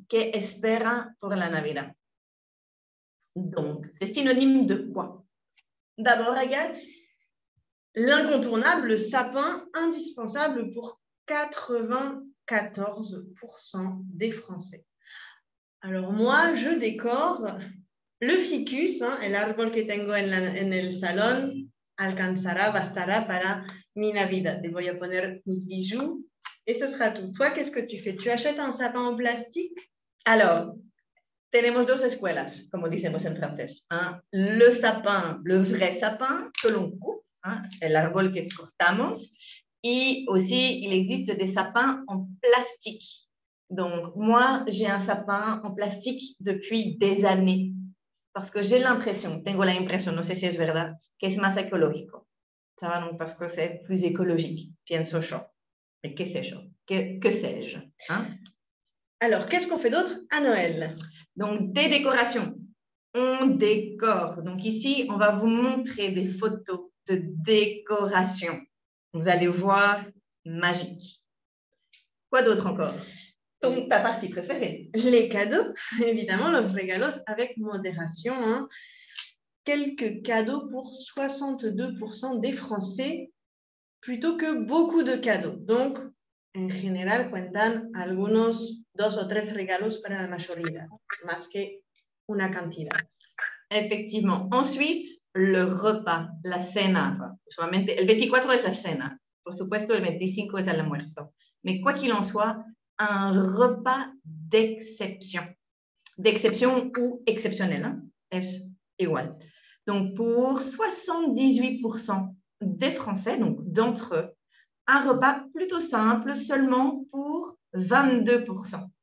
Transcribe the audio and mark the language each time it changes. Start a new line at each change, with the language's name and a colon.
Spanish: Que espera
French: pour
Spanish: la Navidad?
French: Donc, c'est synonyme de quoi? D'abord, Agathe, l'incontournable sapin indispensable pour 94% des Français. Alors, moi, je décore. Le ficus, hein,
Spanish: el árbol que tengo en, la, en el salón, alcanzará, bastará para mi Navidad. Et voy a poner mis bijoux
French: et ce sera tout. Toi, qu'est-ce que tu fais? Tu achètes un sapin en plastique? Alors,
Spanish: tenemos dos escuelas, como decimos en francés.
French: Hein? Le sapin, le vrai sapin que l'on coupe, hein?
Spanish: El árbol que cortamos.
French: Et aussi, il existe des sapins en plastique. Donc, moi, j'ai un sapin en plastique depuis des années. Parce que j'ai l'impression,
Spanish: tengo la impresión, no sé si es verdad, que es más ecológico. ¿Sabes?
French: Donc, parce que c'est plus écologique,
Spanish: pienso yo.
French: Mais que sais-je? Que sais-je? Hein? Alors, qu'est-ce qu'on fait d'autre à Noël? Donc, des décorations. On décore. Donc ici, on va vous montrer des photos de décorations. Vous allez voir, magique. Quoi d'autre encore? Ta partie préférée? Les cadeaux, évidemment,
Spanish: los regalos,
French: avec modération. Hein. Quelques cadeaux pour 62% des Français, plutôt que beaucoup de cadeaux.
Spanish: Donc, en général, cuentan algunos dos o tres regalos para la mayoría, más que una cantidad.
French: Effectivement. Ensuite, le repas,
Spanish: la cena. Usualmente, el 24 es la cena. Por supuesto, el 25 es el almuerzo.
French: Mais quoi qu'il en soit, un repas d'exception. D'exception ou exceptionnel, hein? Est égal. Donc, pour 78% des Français, donc d'entre eux, un repas plutôt simple seulement pour 22%.